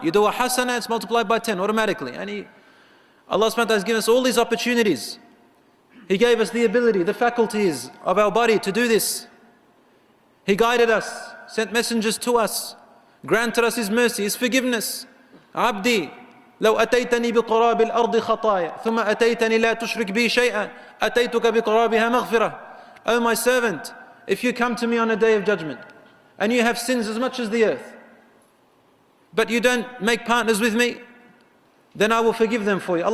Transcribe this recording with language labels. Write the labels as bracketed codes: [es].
[en] You do a hasana, it's multiplied by 10 automatically. And Allah subhanahu wa ta'ala has given us all these opportunities. He gave us the ability, the faculties of our body to do this. He guided us, sent messengers to us, granted us His mercy, His forgiveness. [ar] عبدي لو أتيتني بقراب الأرض خطايا ثم أتيتني لا تشرك بي شيئا أتيتك بقرابها مغفرة. [en] Oh my servant, if you come to me on a day of judgment and you have sins as much as the earth, but you don't make partners with me, then I will forgive them for you.